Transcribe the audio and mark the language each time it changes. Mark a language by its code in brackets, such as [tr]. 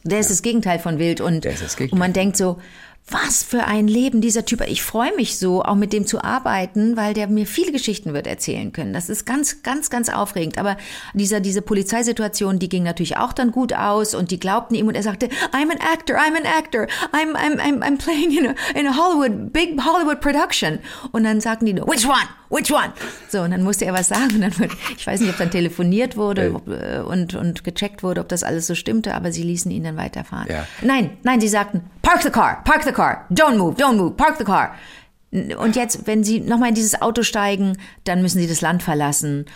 [de] Der ist das Gegenteil von wild. Und, man denkt so, was für ein Leben dieser Typ. Ich freue mich so, auch mit dem zu arbeiten, weil der mir viele Geschichten wird erzählen können. Das ist ganz, ganz, ganz aufregend. Aber diese Polizeisituation, die ging natürlich auch dann gut aus und die glaubten ihm und er sagte, I'm an actor. [en] I'm playing in a Hollywood, big Hollywood production. [de] Und dann sagten die nur, which one? So, und dann musste er was sagen. Ich weiß nicht, ob dann telefoniert wurde und gecheckt wurde, ob das alles so stimmte, aber sie ließen ihn dann weiterfahren. Ja. Nein, sie sagten, park the car, don't move, park the car. Und jetzt, wenn sie nochmal in dieses Auto steigen, dann müssen sie das Land verlassen.